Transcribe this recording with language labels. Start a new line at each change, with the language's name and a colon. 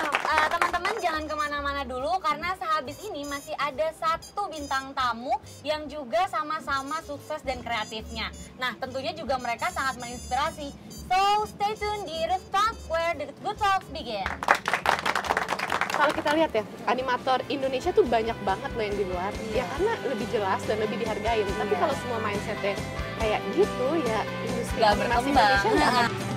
Indonesian: Teman-teman jangan kemana-mana dulu, karena sehabis ini masih ada satu bintang tamu yang juga sama-sama sukses dan kreatifnya. Nah, tentunya juga mereka sangat menginspirasi.
English: So, stay tuned di Roof Talk, where the good talks begin.
Indonesian: Kalau kita lihat ya, animator Indonesia tuh banyak banget loh yang di luar. Ya karena lebih jelas dan lebih dihargain. Tapi kalau semua mindsetnya kayak gitu, ya industri animasi Indonesia gak akan.